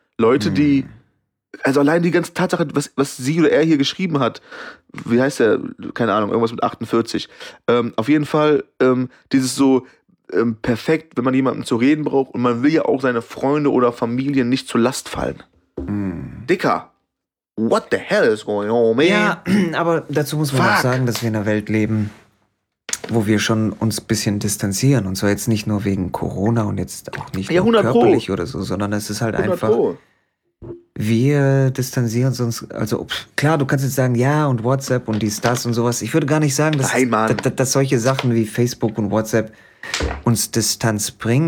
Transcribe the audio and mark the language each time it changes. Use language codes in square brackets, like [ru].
[de] Leute, die, also allein die ganze Tatsache, was sie oder er hier geschrieben hat, wie heißt der, keine Ahnung, irgendwas mit 48. Auf jeden Fall dieses so perfekt, wenn man jemanden zu reden braucht und man will ja auch seine Freunde oder Familien nicht zur Last fallen. [en] Dicker, what the hell is going on, man? [de] Ja, aber dazu muss man auch sagen, dass wir in einer Welt leben, wo wir schon uns ein bisschen distanzieren. Und zwar jetzt nicht nur wegen Corona und jetzt auch nicht nur körperlich oder so, sondern es ist halt einfach, wir distanzieren uns. Also klar, du kannst jetzt sagen, ja, und WhatsApp und dies, das und sowas. Ich würde gar nicht sagen, dass solche Sachen wie Facebook und WhatsApp uns Distanz bringen.